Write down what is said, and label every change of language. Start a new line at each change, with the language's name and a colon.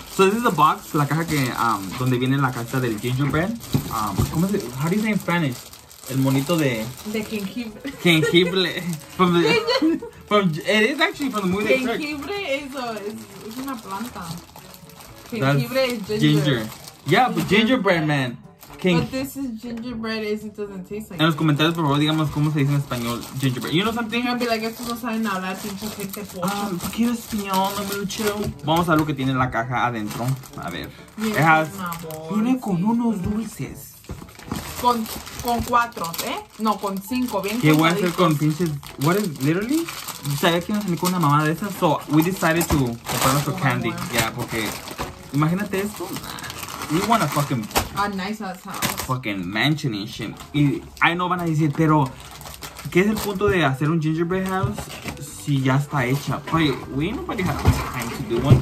English: So this is a box,
Spanish: la caja que, donde viene la casa del gingerbread. ¿Cómo es it?
English: How do you say in Spanish?
Spanish: El monito de... De jengibre.
English: Jengibre. From the... From, it is actually from the movie. Jengibre is una planta. Jengibre is ginger. Ginger. Yeah, but gingerbread, man. But this is gingerbread, it doesn't taste like.
Spanish: En los comentarios, por favor, digamos cómo se dice en español gingerbread.
English: You know something? I'm gonna be like,
Spanish: estos no saben hablar, pinche gente pocha. Porque es español, no me lo chido. Vamos a ver lo que tiene la caja adentro. A ver. Viene con una bolsa. Viene con unos dulces. Con cuatro, ¿eh? No, con cinco, bien. ¿Qué voy a hacer con pinches?
English: What is, literally?
Spanish: Sabía que iba a salir con una mamada de esas.
English: So, we decided to
Spanish: comprar nuestro
English: candy. Yeah,
Spanish: porque... Imagínate esto.
English: We want a fucking... A nice ass house. Fucking mansion and shit.
Spanish: Y ahí no van a decir, pero... ¿Qué es el punto de hacer un gingerbread house si ya está hecha?
English: But we nobody had time to do one.